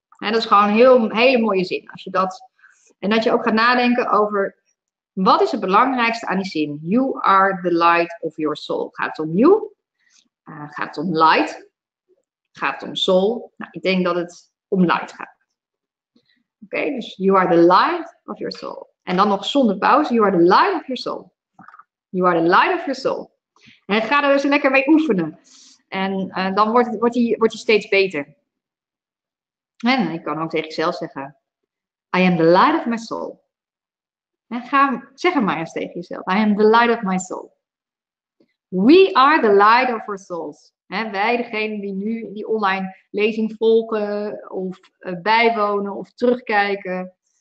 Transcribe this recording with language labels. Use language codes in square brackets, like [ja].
[nl] En dat is gewoon een hele mooie zin. Als je dat, en dat je ook gaat nadenken over wat is het belangrijkste aan die zin. [en] You are the light of your soul. [nl] Gaat het om you? Gaat het om light? Gaat het om soul? Nou, ik denk dat het om light gaat. Oké, okay, dus [en] you are the light of your soul. [nl] En dan nog zonder pauze, [en] you are the light of your soul. You are the light of your soul. [nl] En ga er dus lekker mee oefenen. En dan wordt hij steeds beter. En ik kan ook tegen jezelf zeggen, [en] I am the light of my soul. [nl] En ga, zeg het maar eens tegen jezelf, [en] I am the light of my soul. We are the light of our souls. [nl] He, wij, degene die nu die online lezing volgen, of bijwonen, of terugkijken.